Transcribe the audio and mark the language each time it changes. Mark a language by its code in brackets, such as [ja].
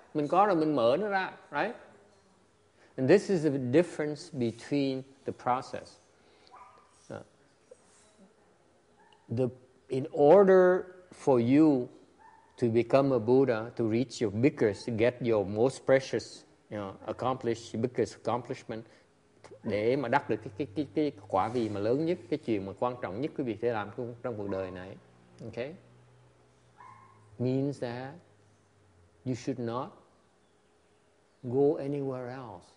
[vi] Mình có rồi, mình mở nó ra, right? [en] And this is the difference between the process. In order for you to become a Buddha, to reach your biggest, to get your most precious, you know, biggest accomplishment, [vi] để mà đắc được cái quả vị mà lớn nhất, cái chuyện mà quan trọng nhất quý vị thể làm trong cuộc đời này, okay? [en] Means that you should not go anywhere else.